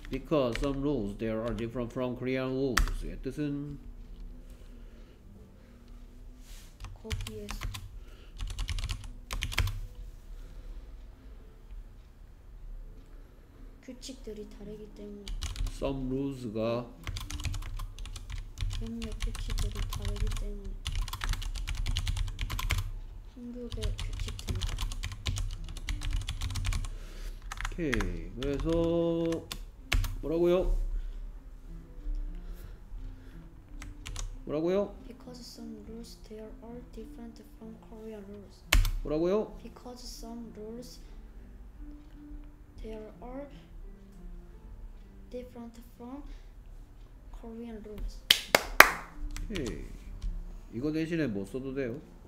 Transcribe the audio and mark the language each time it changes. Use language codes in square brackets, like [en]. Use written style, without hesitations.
[en] Because some rules there are different from Korean rules. [ko] 예, 뜻은 거기에서 규칙들이 다르기 때문에 [en] some rules가 [ko] 몇몇 규칙들이 다르기 때문에 한국의 규칙들이 오케이. 그래서 뭐라고요? [en] Because some rules there are different from Korean rules. [ko] 뭐라고요? [en] Because some rules there are different from Korean rules. [ko] 오케이. 이거 대신에 뭐 써도 돼요?